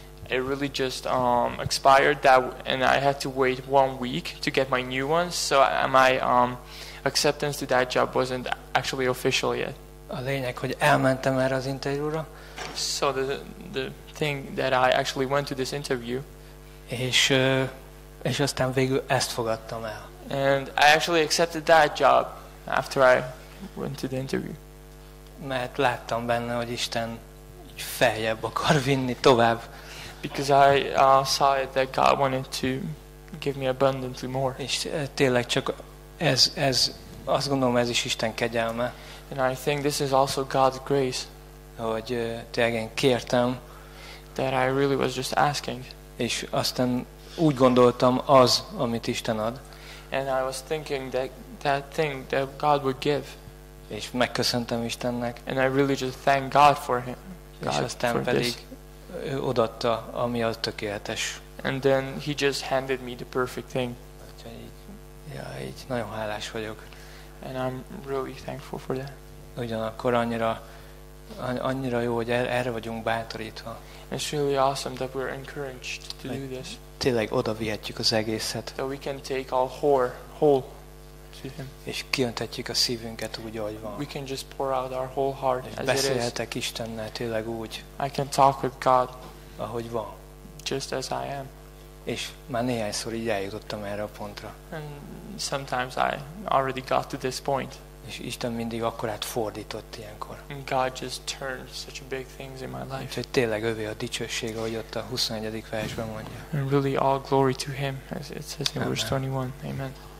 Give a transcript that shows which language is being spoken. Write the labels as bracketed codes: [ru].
[en] it really just expired that, and I had to wait 1 week to get my new ones. So my acceptance to that job wasn't actually official yet. [hu] A lényeg, hogy elmentem erre az interjúra. [en] So the thing that I actually went to this interview. [hu] És aztán végül ezt fogadtam el. [en] And I actually accepted that job after I went to the interview. [hu] Mert láttam benne, hogy Isten feljebb akar vinni tovább. [en] Because I saw it that God wanted to give me abundantly more. [hu] És tényleg csak ez azt gondolom, ez is Isten kegyelme. [en] And I think this is also God's grace. [hu] Hogy tényleg kértem. [en] That I really was just asking. [hu] És aztán úgy gondoltam, az, amit Isten ad. [en] And I was thinking that thing that God would give. [hu] És megköszöntem Istennek. [en] And I really just thank God for him. God, [hu] és aztán pedig odaadta, ami a tökéletes. [en] And then he just handed me the perfect thing. [hu] Ja, így nagyon hálás vagyok. [en] And I'm really thankful for that. [hu] Ugyanakkor annyira jó, hogy erre vagyunk bátorítva. [en] It's really awesome that we're encouraged to do this. [hu] Tényleg oda vihetjük az egészet. [en] That we can take all whole to him. [hu] És kiöntetjük a szívünket úgy, ahogy van. [en] We can just pour out our whole heart as it is. [hu] Beszélhetek Istennel tényleg úgy. [en] I can talk with God. [hu] Ahogy van. [en] Just as I am. [hu] És már néhányszor így eljutottam erre a pontra. [en] And sometimes I already got to this point. [hu] És Isten mindig akkorát fordított ilyenkor. [en] And God just turned such big things in my life. [hu] Úgyhogy tényleg övé a dicsőség, ahogy ott a 21. versben mondja. [en] And really all glory to him, as it says in verse 21. Amen.